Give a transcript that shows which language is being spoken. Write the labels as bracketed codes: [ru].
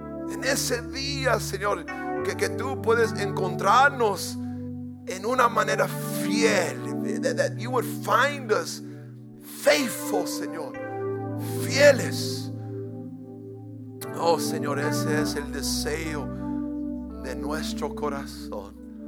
[es] En ese día, Señor, que tú puedes encontrarnos en una manera fiel. [en] That you would find us faithful, Señor. [es] Fieles. Oh, Señor, ese es el deseo de nuestro corazón.